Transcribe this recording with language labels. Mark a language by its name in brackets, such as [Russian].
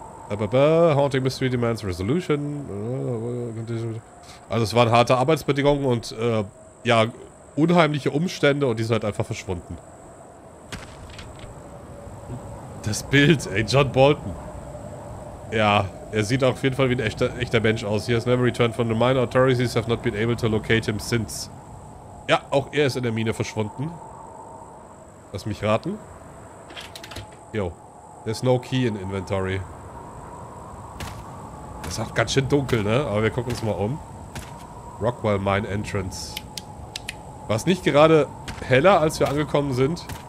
[English] Haunting Mystery Demands Resolution. [German] Also es waren harte Arbeitsbedingungen und, ja, unheimliche Umstände und die sind halt einfach verschwunden. Das Bild, ey, John Bolton. Ja. Er sieht auch auf jeden Fall wie ein echter Mensch aus. [English] He has never returned from the mine. Authorities have not been able to locate him since. [German] Ja, auch er ist in der Mine verschwunden. Lass mich raten. Yo. [English] There's no key in inventory. [German] Das ist auch ganz schön dunkel, ne? Aber wir gucken uns mal um. Rockwell Mine Entrance. War es nicht gerade heller, als wir angekommen sind?